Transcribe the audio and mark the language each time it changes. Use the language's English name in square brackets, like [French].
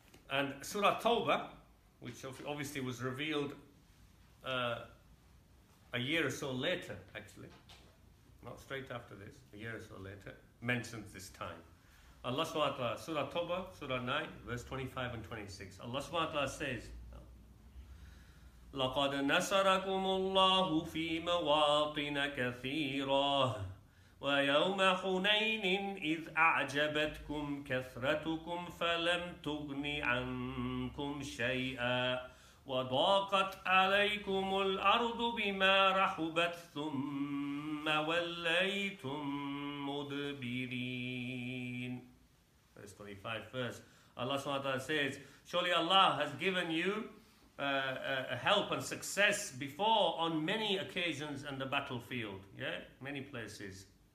[English] And Surah Tawbah, which obviously was revealed a year or so later, actually, not straight after this, a year or so later, mentions this time. Allah subhanahu wa ta'ala, Surah Tawbah, Surah 9, verse 25 and 26. Allah subhanahu wa ta'ala says, [Arabic] لَقَدْ نَسَرَكُمُ اللَّهُ فِي مَوَاطِنَ كَثِيرًا وَيَوْمَ حُنَيْنٍ إِذْ أَعْجَبَتْكُمْ كَثْرَتُكُمْ فَلَمْ تُغْنِ عَنْكُمْ شَيْئًا وَضَاقَتْ عَلَيْكُمُ الْأَرْضُ بِمَا رَحُبَتْ ثُمَّ وَلَّيْتُمْ مُدْبِرِينَ. [English] Verse 25 first. Allah subhanahu wa ta'ala says, surely Allah has given you help and success before on many occasions in the battlefield, yeah, many places.